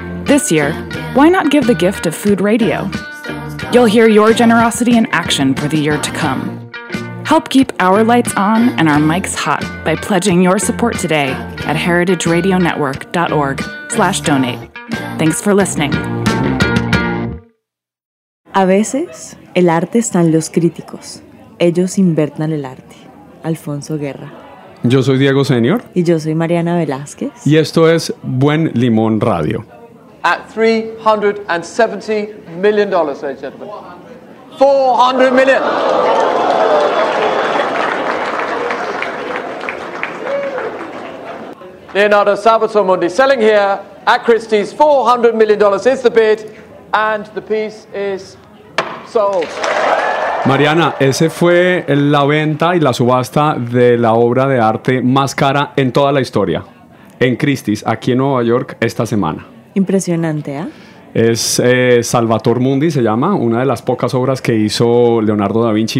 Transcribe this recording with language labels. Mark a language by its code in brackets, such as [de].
[en] This year, why not give the gift of food radio? You'll hear your generosity in action for the year to come. Help keep our lights on and our mics hot by pledging your support today at heritageradionetwork.org/donate. Thanks for listening. [es] A veces, el arte están los críticos. Ellos invertan el arte. Alfonso Guerra. Yo soy Diego Senior. Y yo soy Mariana Velázquez. Y esto es Buen Limón Radio. [en] At $370 million, ladies and gentlemen. $400 million. Leonardo Salvatore Mundi selling here at Christie's. $400 million is the bid, and the piece is sold. [es] Mariana, ese fue la venta y la subasta de la obra de arte más cara en toda la historia, en Christie's, aquí en Nueva York, esta semana. Impresionante, ¿eh? Es Salvatore Mundi, se llama, una de las pocas obras que hizo Leonardo da Vinci.